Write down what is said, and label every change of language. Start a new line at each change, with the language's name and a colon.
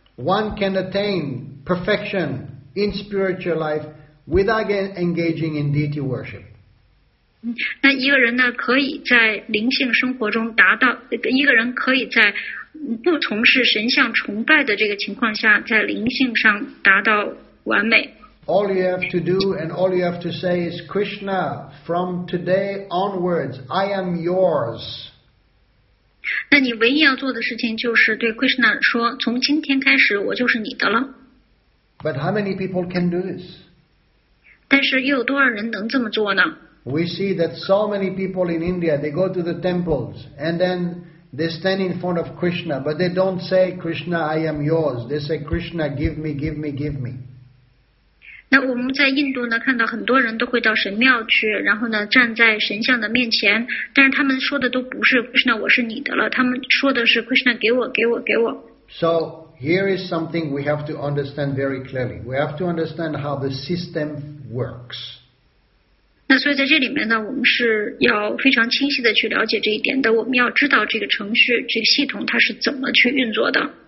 English: One can attain perfection in spiritual life without engaging in deity worship.
Chinese: 那一个人呢，可以在灵性生活中达到，一个人可以在不从事神像崇拜的这个情况下，在灵性上达到完美。
English: All you have to do and all you have to say is, Krishna, from today onwards, I am yours.
Chinese: 那你唯一要做的事情就是对 Krishna 说，从今天开始，我就是你的了。
English: But how many people can do this?
Chinese: 但是又有多少人能这么做呢？
English: We see that so many people in India, they go to the temples and then they stand in front of Krishna, but they don't say, Krishna, I am yours. They say, Krishna, give me, give me, give me.
Chinese: 那我们在印度呢，看到很多人都会到神庙去，然后呢站在神像的面前，但是他们说的都不是 Krishna, 我是你的了，他们说的是 Krishna, 给我，给我，给我。
English: So,Here is something we have to understand very clearly. We have to understand how the system works.
Chinese: 那所以在这里面呢，我们是要非常清晰的去了解这一点的。我们要知道这个程序，这个系统它是怎么去运作的。